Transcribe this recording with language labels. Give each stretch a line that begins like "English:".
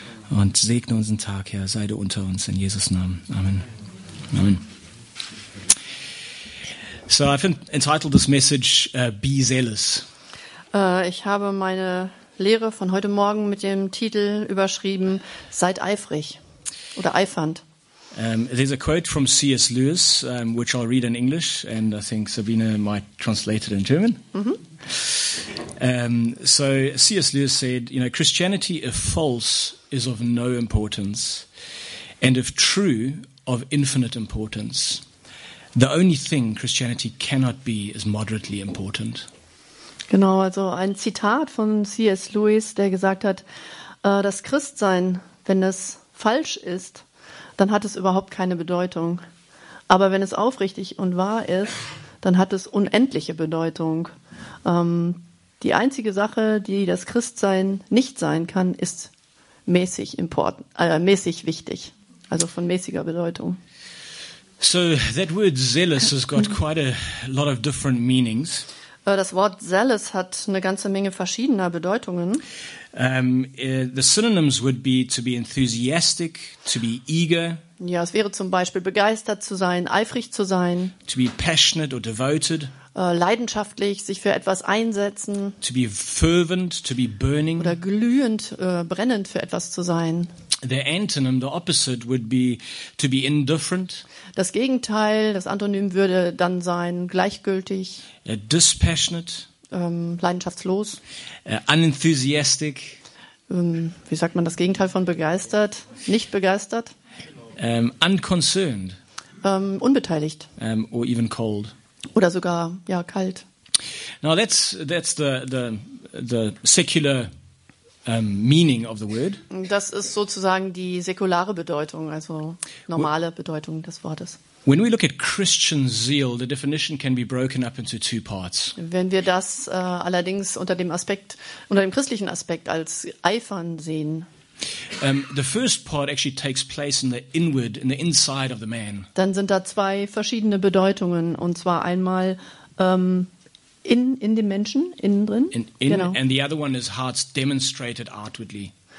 German: Und segne unseren Tag, Herr, sei du unter uns, in Jesus' Namen. Amen. Amen.
English: So, I've entitled this message, Be Zealous.
German: Ich habe meine Lehre von heute Morgen mit dem Titel überschrieben, Seid eifrig oder eifernd.
English: There's a quote from C.S. Lewis, which I'll read in English, and I think Sabine might translate it in German. So C.S. Lewis said, you know, Christianity, if false, is of no importance, and if true, of infinite importance. The only thing Christianity cannot be is moderately important.
German: Genau, also ein Zitat von C.S. Lewis, der gesagt hat, das Christsein, wenn es falsch ist, dann hat es überhaupt keine Bedeutung. Aber wenn es aufrichtig und wahr ist, dann hat es unendliche Bedeutung. Die einzige Sache, die das Christsein nicht sein kann, ist mäßig wichtig, also von mäßiger Bedeutung.
English: So that word zealous has got quite a lot of different meanings.
German: Das Wort zealous hat eine ganze Menge verschiedener Bedeutungen.
English: The synonyms would be to be enthusiastic, to be eager.
German: Ja, es wäre zum Beispiel begeistert zu sein, eifrig zu sein.
English: To be passionate or devoted.
German: Leidenschaftlich, sich für etwas einsetzen.
English: To be fervent, to be burning.
German: Oder glühend, brennend für etwas zu sein.
English: The antonym, the opposite, would be to be indifferent.
German: Das Gegenteil, das Antonym würde dann sein, gleichgültig.
English: Dispassionate.
German: Leidenschaftslos.
English: Unenthusiastic.
German: Wie sagt man das Gegenteil von begeistert? Nicht begeistert.
English: Unconcerned.
German: Unbeteiligt.
English: Or even cold.
German: Oder sogar, ja, kalt.
English: Now that's the secular meaning of the word.
German: Das ist sozusagen die säkulare Bedeutung, also normale Bedeutung des Wortes.
English: When we look at Christian zeal, the definition can be broken up into two parts.
German: Wenn wir das allerdings unter dem christlichen Aspekt als Eifern sehen.
English: The first part actually takes place in the inward, in the inside of the man.
German: Dann sind da zwei verschiedene Bedeutungen, und zwar einmal in dem Menschen, innen drin.
English: And the other one is hearts demonstrated outwardly.